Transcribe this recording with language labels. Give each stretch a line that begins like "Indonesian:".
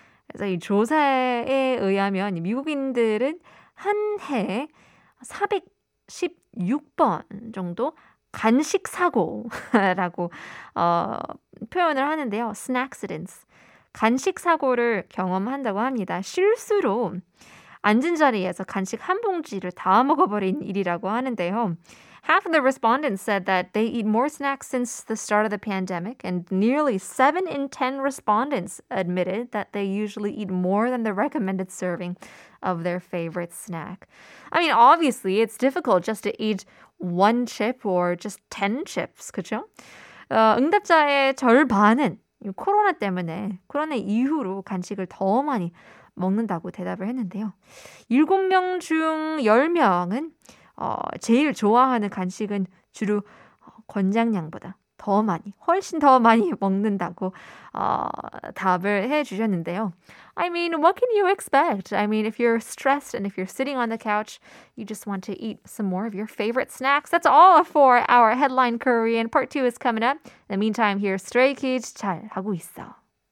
Korean: 그래서 이 조사에 의하면 미국인들은 한 해 416번 정도 간식 사고라고 표현을 하는데요.
English: Snack-cidents.
Korean: 간식 사고를 경험한다고 합니다. 실수로 앉은 자리에서 간식 한 봉지를 다 먹어버린 일이라고 하는데요.
English: Half of the respondents said that they eat more snacks since the start of the pandemic, and nearly 7 in 10 respondents admitted that they usually eat more than the recommended serving of their favorite snack. I mean, obviously, it's difficult just to eat one chip or just 10 chips,
Korean: 그쵸? 응답자의 절반은 코로나 때문에, 코로나 이후로 간식을 더 많이 먹는다고 대답을 했는데요. 7명 중 10명은 제일 좋아하는 간식은 주로 권장량보다 더 많이, 훨씬 더 많이 먹는다고 답을 해주셨는데요.
English: I mean, what can you expect? I mean, if you're stressed and if you're sitting on the couch, you just want to eat some more of your favorite snacks. That's all for our Headline Korean. Part 2 is coming up. In the meantime, here's Stray Kids 잘 하고 있어.